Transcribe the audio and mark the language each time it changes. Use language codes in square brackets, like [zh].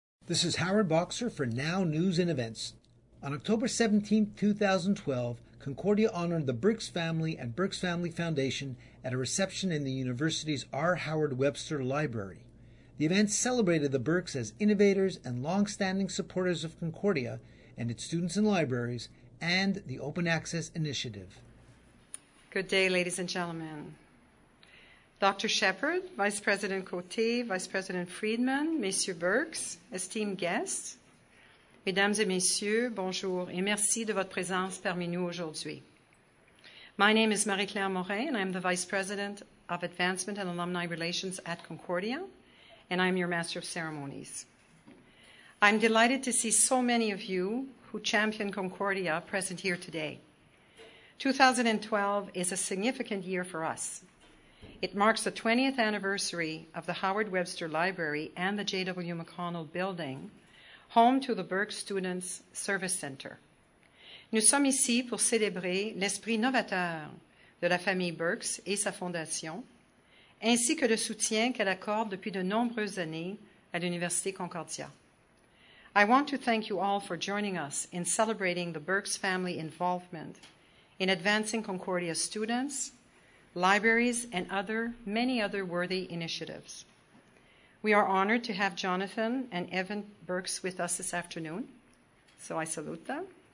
[en] This is Howard Boxer for Now News and Events. On October 17, 2012, Concordia honored the Brix family and Brix Family Foundation at a reception in the university's R. Howard Webster Library. The event celebrated the Brix as innovators and longstanding supporters of Concordia and its students and libraries and the Open Access Initiative. Good day, ladies and gentlemen. Dr. [fr] Shepherd, Vice President Côté, Vice President Friedman, Monsieur Birx, [en] esteemed guests, [fr] Mesdames et Messieurs, bonjour et merci de votre présence parmi nous aujourd'hui. [en] My name is Marie-Claire Morin, and I am the Vice President of Advancement and Alumni Relations at Concordia, and I am your Master of Ceremonies. I'm delighted to see so many of you who champion Concordia present here today. 2012 is a significant year for us. It marks the 20th anniversary of the Howard Webster Library and the J.W. McConnell Building, home to the Birx Students Service Center. [fr] Nous sommes ici pour célébrer l'esprit novateur de la famille Birx et sa fondation, ainsi que le soutien qu'elle accorde depuis de nombreuses années à l'Université Concordia. [en] I want to thank you all for joining us in celebrating the Birx family involvement in advancing Concordia students, libraries, and many other worthy initiatives. We are honored to have Jonathan and Evan Birx with us this afternoon, so I salute them.